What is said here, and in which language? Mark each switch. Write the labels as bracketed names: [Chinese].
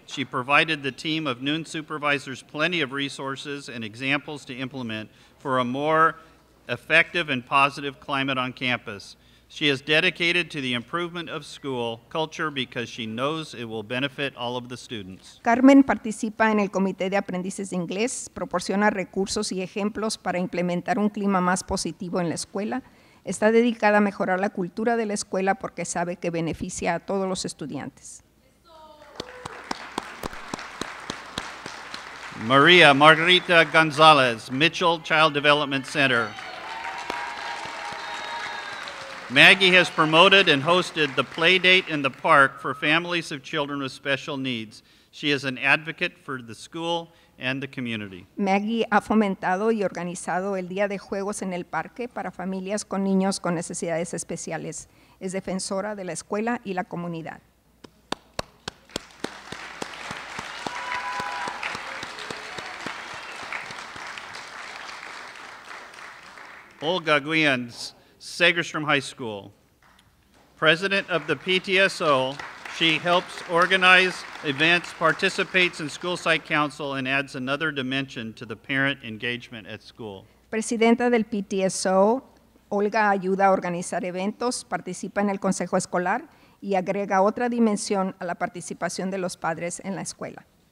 [English] She provided the team of noon supervisors plenty of resources and examples to implement for a more effective and positive climate on campus. She is dedicated to the improvement of school culture because she knows it will benefit all of the students. [Spanish] Carmen participa en el Comité de Aprendices de Inglés, proporciona recursos y ejemplos para implementar un clima más positivo en la escuela. Está dedicada a mejorar la cultura de la escuela porque sabe que beneficia a todos los estudiantes. [English] María Margarita González, Mitchell Child Development Center. Maggie has promoted and hosted the Play Date in the Park for families of children with special needs. She is an advocate for the school and the community. [Spanish] Maggie ha fomentado y organizado el Día de Juegos en el Parque para familias con niños con necesidades especiales. Es defensora de la escuela y la comunidad. [English] Olga Guillen, Segerstrom High School. President of the PTSO, she helps organize events, participates in school site council, and adds another dimension to the parent engagement at school. [Spanish] Presidenta del PTSO, Olga ayuda a organizar eventos, participa en el consejo escolar, y agrega otra dimensión a la participación de los padres en la escuela.